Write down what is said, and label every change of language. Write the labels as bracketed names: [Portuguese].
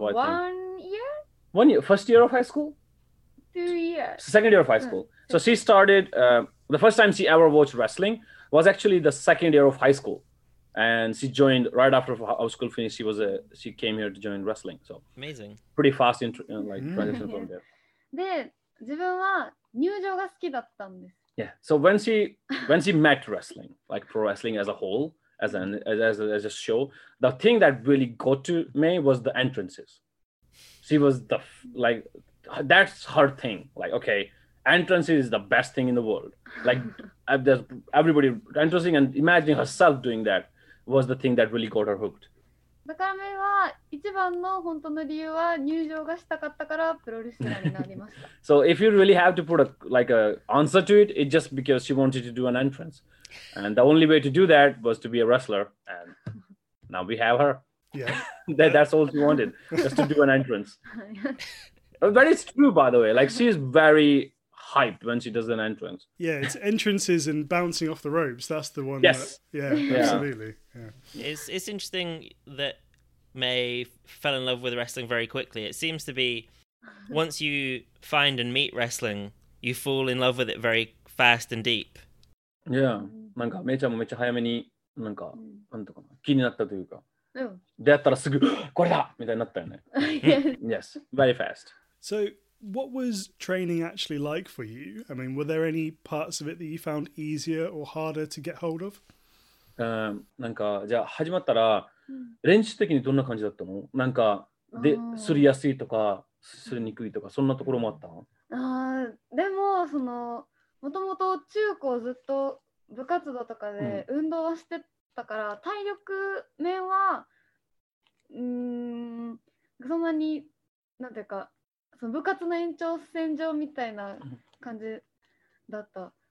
[English] one year first year of high school second year of high school. So she started the first time she ever watched wrestling was actually the second year of high school, and she joined right after high school finished. She came here to join wrestling. So amazing, pretty fast transition from there. [Japanese] で、自分は入場が好きだったんです。 [English] Yeah. So when she met wrestling, like pro wrestling as a whole, as a show, the thing that really got to me was the entrances. She was the like. That's her thing. Like, okay, entrance is the best thing in the world. Like, everybody entrancing and imagining herself doing that was the thing that really got her hooked. [Japanese] だからメイは一番の本当の理由は入場がしたかったからプロレスラーになりました。 [English] So if you really have to put a like a answer to it, it's just because she wanted to do an entrance, and the only way to do that was to be a wrestler, and now we have her. Yeah, that's all she wanted, just to do an entrance. But it's true, by the way. Like, she's very hyped when she does an entrance. Yeah, it's entrances and bouncing off the ropes. That's the one. Yes. Yeah, absolutely. Yeah. It's interesting that May fell in love with wrestling very quickly. It seems to be once you find and meet wrestling, you fall in love with it very fast and deep. Yeah. [Japanese] なんかめちゃもめちゃ早めになんかなんとかな気になったというか。出会ったらすぐこれだみたいになったよね。 [English] Yes, very fast. So, what was training actually like for you? I mean, were there any parts of it that you found easier or harder to get hold of? [Japanese] なんかじゃあ始まったら練習的にどんな感じだったの？なんかで、擦りやすいとか擦りにくいとかそんなところもあったの？でもそのもともと中高ずっと部活動とかで運動はしてたから、うん、体力面はそんなになんていうかその部活の延長線上みたいな感じだった。